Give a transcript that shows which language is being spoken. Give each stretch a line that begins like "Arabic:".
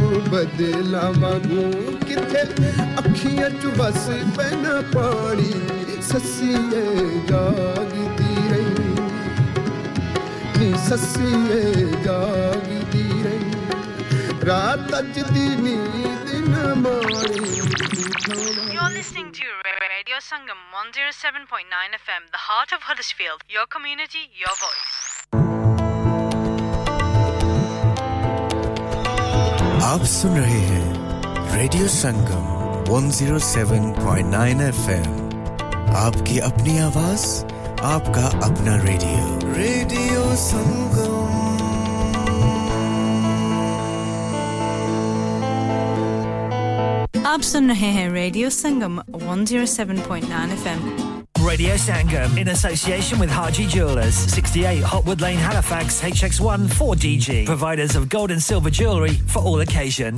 Punjabi: ਬਦਲਾ ਵਾਂਗੂ ਕਿੱਥੇ ਅੱਖੀਆਂ ਚ ਵਸ ਪੈਣਾ ਪਾਣੀ ਸੱਸੀਏ ਜਾਗਦੀ ਰਹੀ ਨੀ ਸੱਸੀਏ ਜਾਗਦੀ ਰਹੀ ਰਾਤ ਅੱਜ ਦੀ ਨੀਂਦ ਨਾ ਮਾਣੀ
English: You're listening to Radio Sangam 107.9 FM, the heart of Huddersfield, your community, your voice.
Hindi: आप सुन रहे हैं रेडियो संगम 107.9 FM आपकी अपनी आवाज आपका अपना रेडियो रेडियो संगम आप सुन रहे हैं radio Sangam 107.9 FM
English: Radio Sangam, in association with Haji Jewellers, 68 Hotwood Lane, Halifax, HX1 4DG. Providers of gold and silver jewellery for all occasions.